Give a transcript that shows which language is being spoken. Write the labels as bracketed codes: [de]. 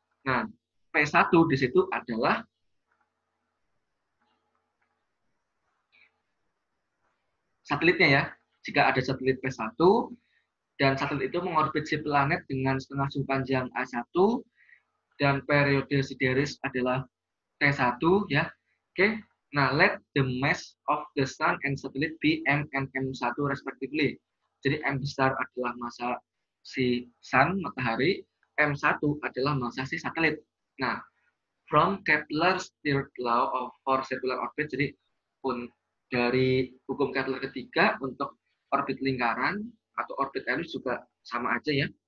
[id] Nah, P1 di situ adalah satelitnya ya. Jika ada satelit P1 dan satelit itu mengorbit si planet dengan setengah sumbu panjang A1 dan periode sidereis adalah T1 ya. Oke. Okay. [en] Nah, let the mass of the sun and satellite be M and M1 respectively. [id] Jadi M besar adalah massa si sun, matahari, M1 adalah massa si satelit. Nah, [en] from Kepler's third law of for circular orbit, [id] jadi pun dari hukum Kepler ketiga untuk orbit lingkaran atau orbit elips juga sama aja ya.